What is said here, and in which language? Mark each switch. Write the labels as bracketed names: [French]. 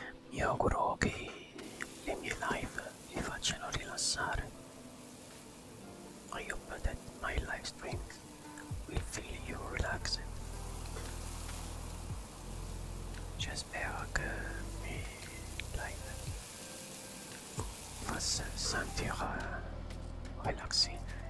[Italian] Mi auguro che le mie live li facciano rilassare. [English] I hope that my live stream will feel you relaxed. [Italian] Cioè spero che mi live possa sentire relaxing.